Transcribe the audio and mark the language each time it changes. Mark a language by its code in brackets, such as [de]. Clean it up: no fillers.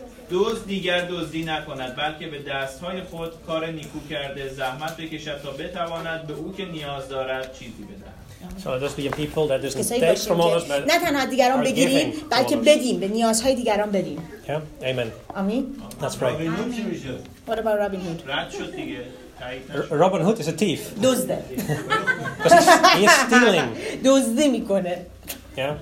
[fa] دوز دیگر دزدی نکند بلکه به دستهای خود کار نیکو کرده زحمت بکشد تا بتواند به او که نیاز دارد چیزی بدهد. [en] So let us be a people that doesn't take from others, but [fa] نه تنها دیگران بگیریم بلکه بدیم به نیازهای دیگران بدیم. [en] Yeah, amen. [fa] آمین. [en] That's right. [fa] Robin Hood چی میشه؟ [en] What about Robin Hood? [fa] رد شد دیگه. [en] Robin Hood is a thief. [fa] دزده. [en] He is stealing. [fa] دزدی میکنه. [en] Yeah.